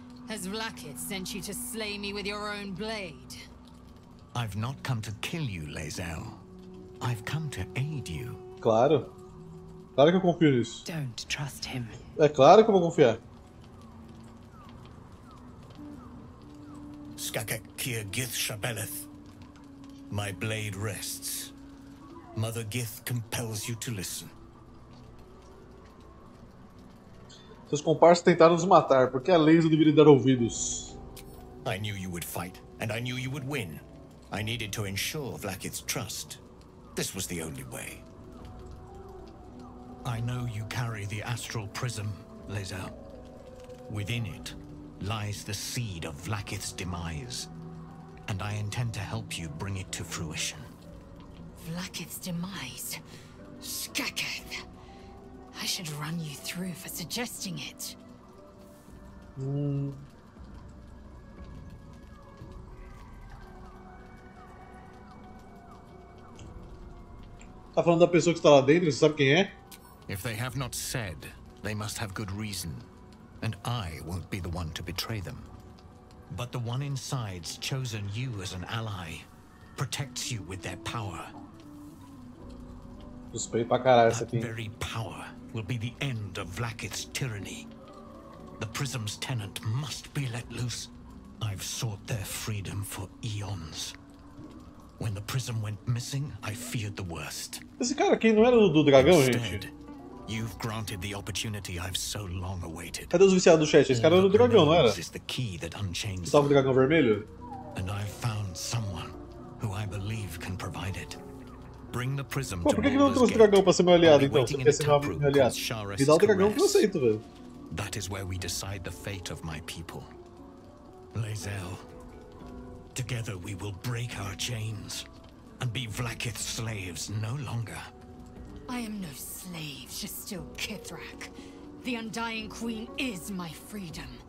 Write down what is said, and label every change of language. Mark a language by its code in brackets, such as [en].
[en] Has Vlakith sent you to slay me with your own blade? I've not come to kill you, Lazel. I've come to aid you. [pt] Claro. Claro que eu confio nisso. [en] Don't trust him. [pt] É claro que eu vou confiar. [en] Skakak Kir Gith Shabeleth. My blade rests. Mother Gith compels you to listen. [pt] Seus comparsas tentaram nos matar, porque a lei não deveria dar ouvidos. [en] I knew you would fight, and I knew you would win. I needed to ensure Vlakith's trust. This was the only way. I know you carry the astral prism, Lazel. Within it lies the seed of Vlakith's demise, and I intend to help you bring it to fruition. Vlakith's demise? Skakath! I should run you through for suggesting it. Mm. [pt] tá falando da pessoa que está lá dentro, você sabe quem é? [en] If they have not said, they must have good reason, and I won't be the one to betray them. But the one inside's chosen you as an ally, protects you with their power. [pt] Suspeito pra caralho essa aqui. [en] That very power will be the end of Vlakith's tyranny. The Prism's tenant must be let loose. I've sought their freedom for eons. When the Prism went missing, I feared the worst. [pt] Esse cara aqui não era do dragão, instead, gente? [en] You've granted the opportunity I've so long awaited. [pt] Cadê os viciados do chat? Esse cara era do dragão, não era? [en] Is the key that unchains. [pt] Salve o dragão vermelho. [en] And I've found someone who I believe can provide it. Bring the Prism. [pt] Pô, por que não trouxe o dragão pra ser meu aliado, então? Se quer ser meu aliado. Me dá o dragão que eu aceito, velho. [en] That is where we decide the fate of my people. Lazel, together we will break our chains and be Vlakith's slaves no longer. I am no slave, Shastil Kithrak. The Undying Queen is my freedom.